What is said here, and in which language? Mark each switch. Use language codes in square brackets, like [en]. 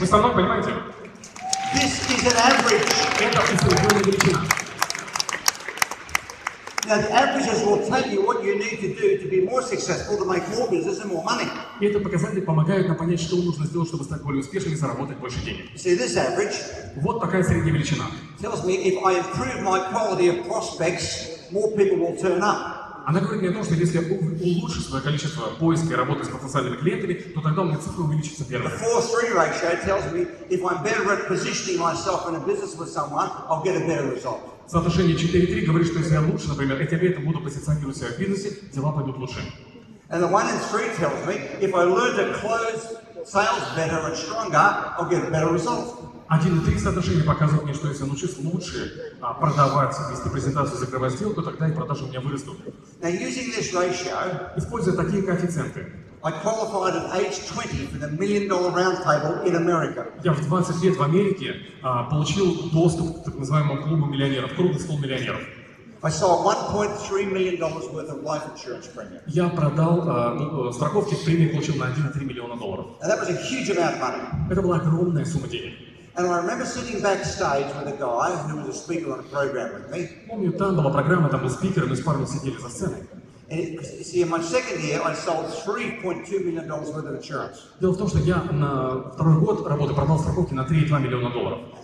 [ru] Вы со мной понимаете? [en] This is an average. [ru] Это усредненная величина. [en] Now the averages will tell you what you need to do to be more successful, to make more business and more money. [ru] И эти показатели помогают нам понять, что нужно сделать, чтобы стать более успешным и заработать больше денег. [en] See this average? [ru] Вот такая средняя величина. [en] Tells me if I improve my quality of prospects, more people will turn up. [ru] Она говорит мне о том, что если я улучшу свое количество поиска и работы с потенциальными клиентами, то тогда у меня цифра увеличится первой. [en] The 4-3 ratio tells me if I'm better at positioning myself in a business with someone, I'll get a better result. [ru] Соотношение 4-3 говорит, что если я лучше, например, эти ребята будут позиционировать себя в бизнесе, дела пойдут лучше. [en] And the 1-3 tells me if I learn to close sales better and stronger, I'll get a better result. [ru] 1-3 соотношение показывает мне, что если научусь лучше продавать, вести презентацию, закрывать сделку, тогда и продажи у меня вырастут. [en] Now, using this ratio, [ru] используя такие коэффициенты, [en] I qualified at age 20 for the million-dollar roundtable in America. [ru] Я в 20 лет в Америке получил доступ к так называемому клубу миллионеров, кругу стол миллионеров. [en] I saw $1.3 million worth of life insurance premium. [ru] Я продал страховки, премии получил на 1.3 миллиона долларов. [en] And that was a huge amount of money. [ru] Это была огромная сумма денег. [en] And I remember sitting backstage with a guy who was a speaker on a program with me. [ru] Помню, там была программа, там был спикер, мы с парнем сидели за сценой. [en] And it, see, in my second year, I sold $3.2 million worth of insurance. [ru] Дело в том, что я на второй год работы продал страховки на 3,2 миллиона долларов.